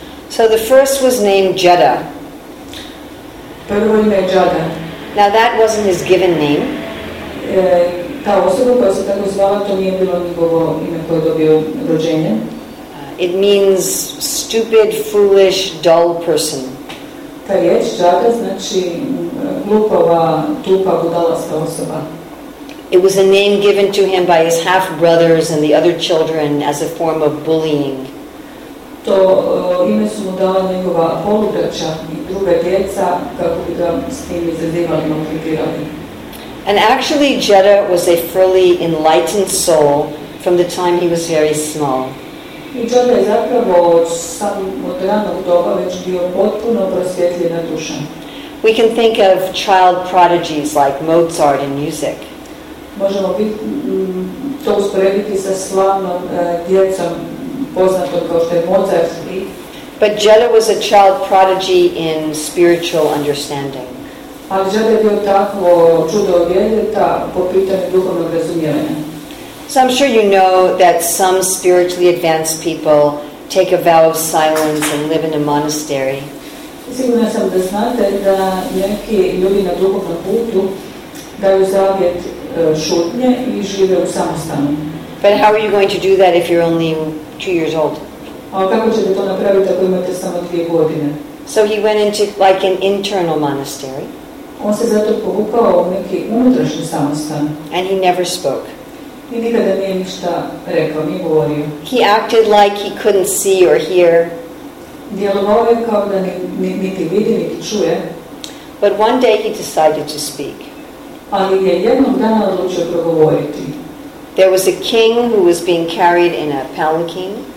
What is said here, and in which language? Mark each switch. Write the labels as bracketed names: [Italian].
[English] So the first was named Jada. [Croatian] Prvo ime je Jada. [English] Now that wasn't his given name. [Croatian] Ta osoba koja se tako zvala, to nije bilo njegovo ime koje je dobio rođenje. [English] It means stupid, foolish, dull person. [Croatian] Ta riječ Jada znači glupova, tupa, budalasta osoba. [English] It was a name given to him by his half-brothers and the other children as a form of bullying. [Croatian] To ime su mu dala njegova polubraća i druga djeca kako bi ga s tim izazivali, maltretirali. [English] And actually Jada was a fairly enlightened soul from the time he was very small. [Croatian] I Jada je zapravo od ranog doba već bio potpuno prosvjetljena duša. [English] We can think of child prodigies like Mozart in music. [Croatian] Možemo to usporediti sa slavnom djecom poznatom kao što je Mozart. [English] But Jada was a child prodigy in spiritual understanding. [Croatian] Ali Jada je bio takvo čudo djeteta po pitanju duhovnog razumijevanja. [English] So I'm sure you know that some spiritually advanced people take a vow of silence and live in a monastery. [Croatian] Sigurno sam da znate da neki ljudi na duhovnom putu daju zavjet šutnje i žive u samostanu. [English] But how are you going to do that if you're only 2 years old? [Croatian] A kako ćete to napraviti ako imate samo dvije godine? [English] So he went into like an internal monastery. [Croatian] On se zato povukao u neki unutrašnji samostan. [English] And he never spoke. [Croatian] I nikada nije ništa rekao, nije govorio. [English] He acted like he couldn't see or hear. [Croatian] Djelovao je kao da niti vidi, niti čuje. [English] But one day he decided to speak. [Croatian] Ali je jednog dana odlučio progovoriti. [English] There was a king who was being carried in a palanquin.